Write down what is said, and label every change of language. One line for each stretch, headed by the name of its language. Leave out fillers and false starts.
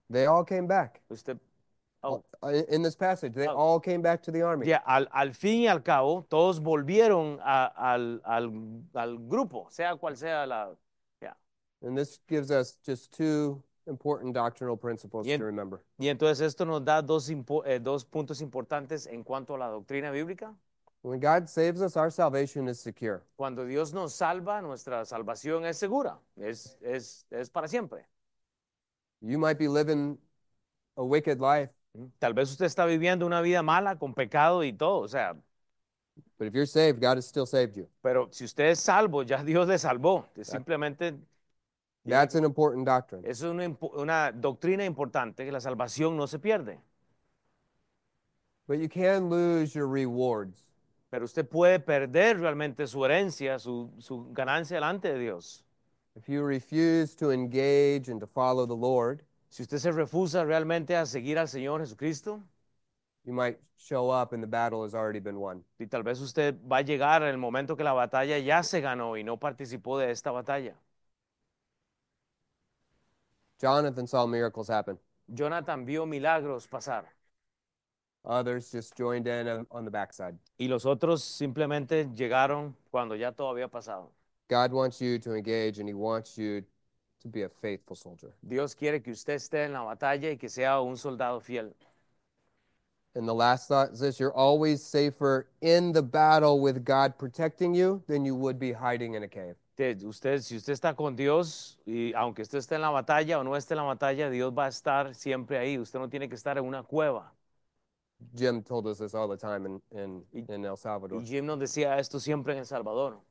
English: They all came back.
Spanish: Usted,
English: In this passage, they all came back to the army.
Spanish: Yeah, al fin y al cabo, todos volvieron al grupo, sea cual sea la.
English: Yeah. And this gives us just two important doctrinal principles to remember.
Spanish: Y entonces esto nos da dos puntos importantes en cuanto a la doctrina bíblica.
English: When God saves us, our salvation is secure.
Spanish: Cuando Dios nos salva, nuestra salvación es segura. Es para siempre.
English: You might be living a wicked life.
Spanish: Tal vez usted está viviendo una vida mala con pecado y todo, o sea.
English: But if you're saved, God has still saved you.
Spanish: Pero si usted es salvo, ya Dios le salvó. Simplemente.
English: That's an important doctrine.
Spanish: Es una doctrina importante, que la salvación no se pierde.
English: But you can lose your rewards.
Spanish: Pero usted puede perder realmente su herencia, su ganancia delante de Dios.
English: If you refuse to engage and to follow the Lord,
Spanish: si usted se refusa realmente a seguir al Señor Jesucristo,
English: you might show up and the battle has already been won.
Spanish: Y tal vez usted va a llegar en el momento que la batalla ya se ganó y no participó de esta batalla.
English: Jonathan saw miracles happen.
Spanish: Jonathan vio milagros pasar.
English: Others just joined in on the backside.
Spanish: Y los otros simplemente llegaron cuando ya todo había pasado.
English: God wants you to engage and he wants you to be a faithful soldier.
Spanish: Dios quiere que usted esté en la batalla y que sea un soldado fiel.
English: And the last thought is this, you're always safer in the battle with God protecting you than you would be hiding in a cave.
Spanish: Si usted está con Dios y aunque usted esté en la batalla o no esté en la batalla, Dios va a estar siempre ahí. Usted no tiene que estar en una cueva.
English: Jim told us this all the time in El
Spanish: Y Salvador. Jim nos decía esto siempre en El Salvador.